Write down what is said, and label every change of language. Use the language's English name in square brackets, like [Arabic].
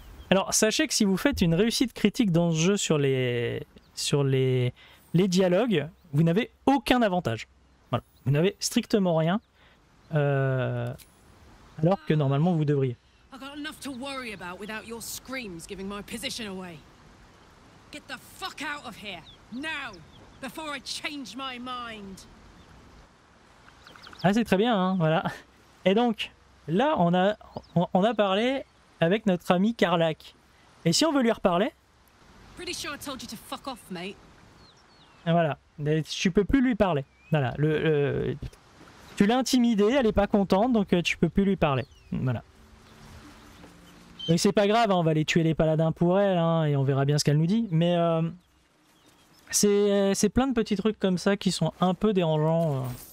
[French] Alors, sachez que si vous faites une réussite critique dans ce jeu sur les dialogues, vous n'avez aucun avantage. Voilà. Vous n'avez strictement rien, alors que normalement vous devriez. [English] I've got enough to worry about without your screams giving my position away. Get the fuck out of here, now, before I change my mind. [French] Ah, c'est très bien, hein, voilà. Et donc, là, on a parlé avec notre ami Karlak. Et si on veut lui reparler? [English] Pretty sure I told you to fuck off, mate. [French] Voilà, tu peux plus lui parler. Voilà, tu l'as intimidé, elle est pas contente, donc tu peux plus lui parler. Voilà. Donc c'est pas grave, hein, on va aller tuer les paladins pour elle, hein, et on verra bien ce qu'elle nous dit. Mais c'est plein de petits trucs comme ça qui sont un peu dérangeants.